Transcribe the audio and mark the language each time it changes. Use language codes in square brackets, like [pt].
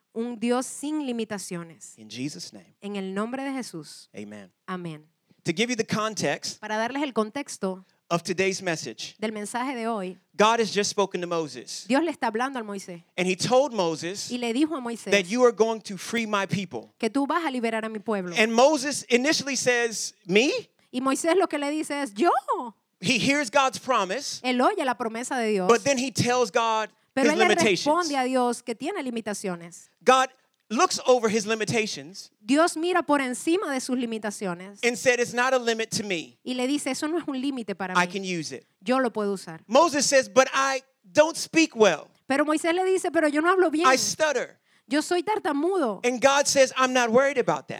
[es] Un Dios sin limitaciones. [en] In Jesus' name. [es] En el nombre de Jesús. Amen. Amen. [en] To give you the context. [es] Para darles el contexto. [en] Of today's message. [es] Del mensaje de hoy. [en] God has just spoken to Moses. [es] Dios le está hablando al Moisés. [en] And he told Moses. [es] Y le dijo a Moisés. [en] That you are going to free my people. [es] Que tú vas a liberar a mi pueblo. [en] And Moses initially says, me? [es] Y Moisés lo que le dice es, yo. [en] He hears God's promise. [es] Él oye la promesa de Dios. [en] But then he tells God. [es] Pero él responde a Dios que tiene limitaciones. [en] God looks over his limitations. [es] Dios mira por encima de sus limitaciones. [en] And said, "It's not a limit to me." [es] Y le dice, "Eso no es un límite para [en] I [es] mí." [en] I can use it. [es] Yo lo puedo usar. [en] Moses says, "But I don't speak well." [es] Pero Moisés le dice, "Pero yo no hablo bien." [en] I stutter. [es] Yo soy tartamudo. [en] And God says, "I'm not worried about that."